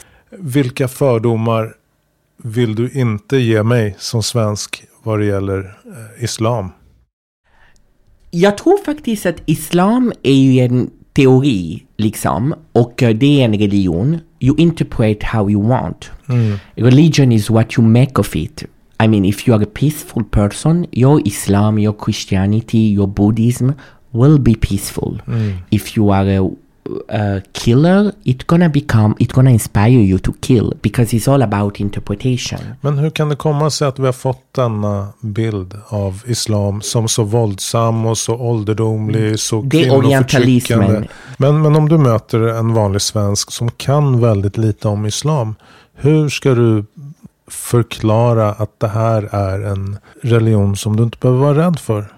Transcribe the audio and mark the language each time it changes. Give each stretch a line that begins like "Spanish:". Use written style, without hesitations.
Swedish: Vilka fördomar vill du inte ge mig som svensk vad det gäller islam? Jag tror faktiskt att islam är ju en teori liksom, och det är en religion.
English: You interpret how you want. Mm. Religion is what you make of it. I mean, if you are a peaceful person, your islam, your christianity, your buddhism will be peaceful. Mm. If you are a killer, it's gonna inspire you to kill, because it's all about interpretation.
Swedish: Men hur kan det komma sig att vi har fått denna bild av islam som så våldsam och så ålderdomlig, så kvinnoförtryckande? Men om du möter en vanlig svensk som kan väldigt lite om islam, hur ska du förklara att det här är en religion som du inte behöver vara rädd för?